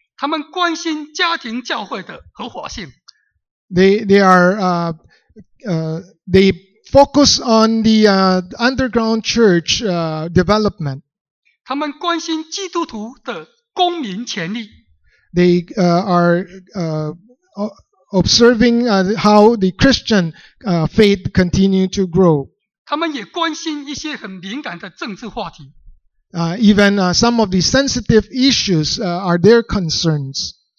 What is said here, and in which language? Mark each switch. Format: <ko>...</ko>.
<zh>他们关心家庭教会的合法性。</zh> <en>They focus on the underground church development.</en> <zh>他们关心基督徒的公民权利。</zh> <en>they are observing how the Christian faith continue to grow.</en> <zh>他们也关心一些很敏感的政治话题。</zh> <en>Even some of the sensitive issues are their concerns.</en>